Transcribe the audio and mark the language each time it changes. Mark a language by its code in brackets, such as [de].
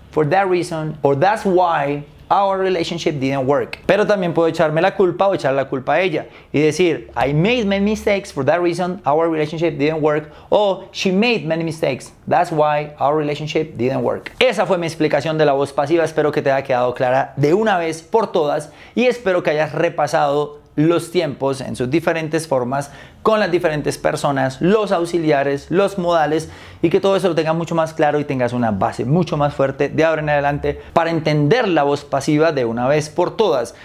[en] For that reason, or that's why our relationship didn't work. [es] Pero también puedo echarme la culpa o echar la culpa a ella. Y decir, [en] I made many mistakes, for that reason our relationship didn't work. O, she made many mistakes, that's why our relationship didn't work. [es] Esa fue mi explicación de la voz pasiva. Espero que te haya quedado clara de una vez por todas. Y espero que hayas repasado los tiempos en sus diferentes formas, con las diferentes personas, los auxiliares, los modales, y que todo eso lo tengas mucho más claro y tengas una base mucho más fuerte de ahora en adelante para entender la voz pasiva de una vez por todas.